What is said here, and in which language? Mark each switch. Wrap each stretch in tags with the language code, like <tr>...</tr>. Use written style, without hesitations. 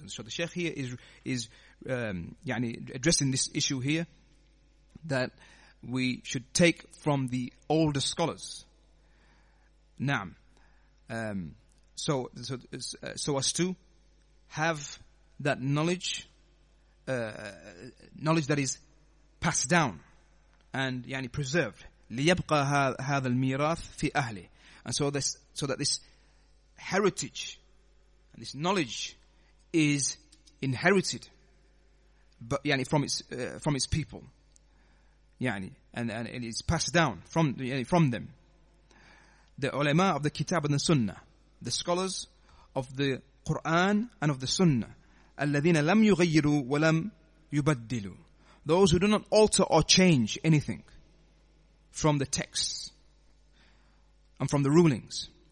<en>And so the Sheikh here is addressing this issue here, that we should take from the older scholars. Naam. So as to have that knowledge that is passed down and yani preserved.</en> <ar>ليبقى هذا الميراث في أهله.</ar> <en>And so this, so that this heritage and this knowledge is inherited, but yani from its people, yani, and it is passed down from them. The ulama of the kitab and the sunnah, the scholars of the Quran and of the sunnah,</en> <ar>الَّذِينَ لَمْ يُغَيِّرُوا وَلَمْ يُبَدِّلُوا,</ar> <en>those who do not alter or change anything from the texts and from the rulings.</en>